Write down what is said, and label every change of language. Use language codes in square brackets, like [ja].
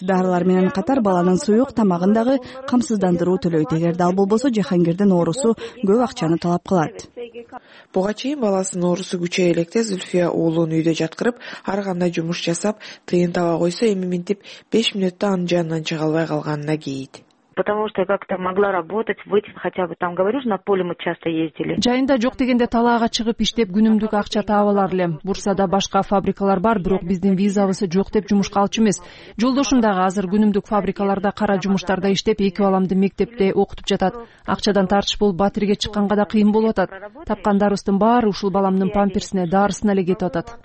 [ky] Дарылар менен катар баланын суюк тамагын дагы камсыздандыруу төлөйт. Эгер дал болбосо Жахангирдин оорусу көп акчаны талап кылат. Буга чейин баласынын оорусу күчөй электе Зульфия уулун үйдө жаткырып, ар кандай жумуш жасап тыйын таба койсо, эми минтип 5 мүнөттө анын жанынан чыга албай калганына кейит. [ru] Потому что я как-то могла работать, выйти хотя бы там, говорю же, на поле мы часто ездили. [ky] Жайында жок дегенде талаага чыгып иштеп күнүмдүк акча таап алар эле. Бурсада башка фабрикалар бар, бирок биздин визабызы жок деп жумушка алчу эмес. Жолдошум дагы азыр күнүмдүк фабрикаларда кара жумуштарда иштеп, 2 баламды мектепте окутуп жатат. Акчадан тартыш болуп батирге чыкканга да кыйын болуп атат. Тапкан дарыбыздын баары ушул баламдын памперсине, дарысына эле кетип атат.